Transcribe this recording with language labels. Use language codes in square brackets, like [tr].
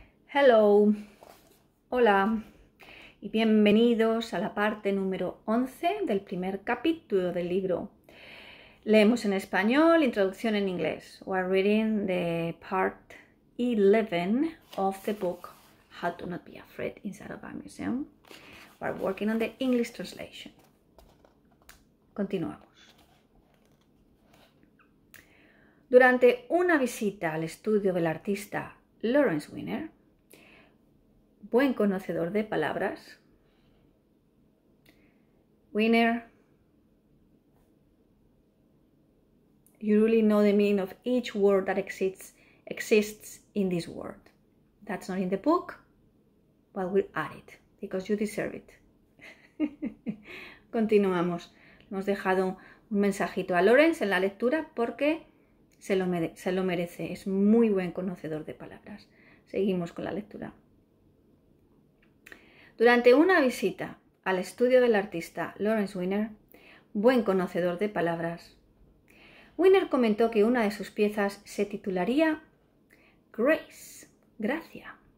[en] Hello, [es] hola y bienvenidos a la parte número 11 del primer capítulo del libro. Leemos en español, introducción en inglés. [en] We're reading the part 11 of the book How to Not Be Afraid Inside of a Museum. We're working on the English translation. [es] Continuamos. Durante una visita al estudio del artista Lawrence Winner, buen conocedor de palabras. [en] Winner, you really know the meaning of each word that exists in this world. That's not in the book, but we'll add it because you deserve it. [es] Continuamos. Hemos dejado un mensajito a Lawrence en la lectura porque se lo merece. Es muy buen conocedor de palabras. Seguimos con la lectura. Durante una visita al estudio del artista Lawrence Winner, buen conocedor de palabras, Winner comentó que una de sus piezas se titularía Grace, gracia.